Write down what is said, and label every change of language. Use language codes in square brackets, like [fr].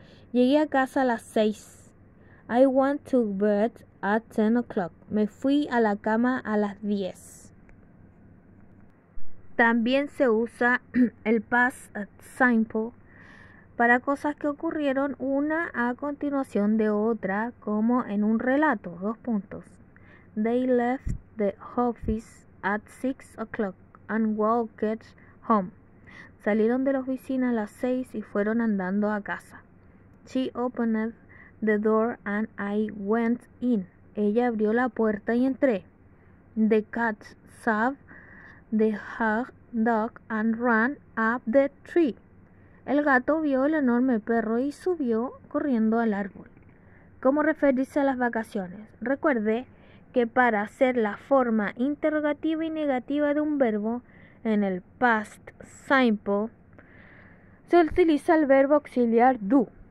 [es] Llegué a casa a las 6. [en] I went to bed at 10 o'clock. [es] Me fui a la cama a las 10. También se usa el past simple para cosas que ocurrieron una a continuación de otra, como en un relato. Dos puntos. [en] They left the office at 6 o'clock and walked home. [es] Salieron de la oficina a las 6 y fueron andando a casa. [en] She opened the door and I went in. [es] Ella abrió la puerta y entré. [en] The cat saw the hot dog and ran up the tree. [es] El gato vio el enorme perro y subió corriendo al árbol. ¿Cómo referirse a las vacaciones? Recuerde que para hacer la forma interrogativa y negativa de un verbo en el past simple se utiliza el verbo auxiliar do.